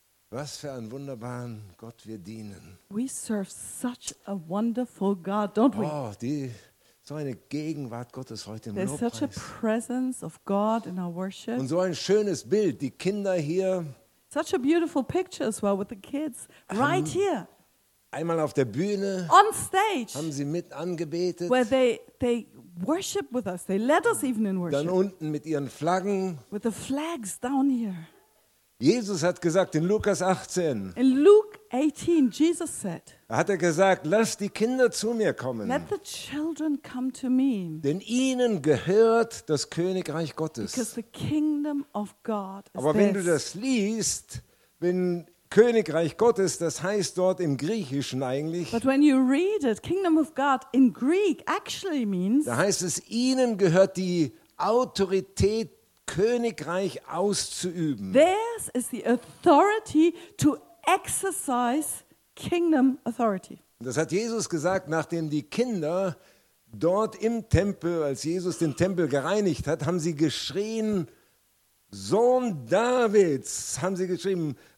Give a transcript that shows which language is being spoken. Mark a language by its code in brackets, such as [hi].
[de] Was für einen wunderbaren Gott wir dienen. [en] We serve such a wonderful God, don't we? [de] Oh, die so eine Gegenwart Gottes heute im [en] There's [de] Lobpreis. [en] Such a presence of God in our worship. [de] Und so ein schönes Bild, die Kinder hier. [en] Such a beautiful picture as well with the kids right here. [de] Einmal auf der Bühne. [en] On stage. [de] Haben sie mit angebetet. [en] Where they worship with us. They led us even in worship. [de] Dann unten mit ihren Flaggen. [en] With the flags down here. [de] Jesus hat gesagt in Lukas 18. [en] In Luke 18 Jesus said. [de] Hat er gesagt, lass die Kinder zu mir kommen. [en] Let the children come to me. [de] Denn ihnen gehört das Königreich Gottes. [en] Because the kingdom of God is [de] Aber wenn du das liest, wenn Königreich Gottes, das heißt dort im Griechischen eigentlich. [en] But when you read it, kingdom of God in Greek actually means. [de] Da heißt es, ihnen gehört die Autorität Königreich auszuüben. [en] Theirs is the authority to exercise kingdom authority. [de] Das hat Jesus gesagt, nachdem die Kinder dort im Tempel, als Jesus den Tempel gereinigt hat, haben sie geschrien, Sohn Davids, haben sie geschrien,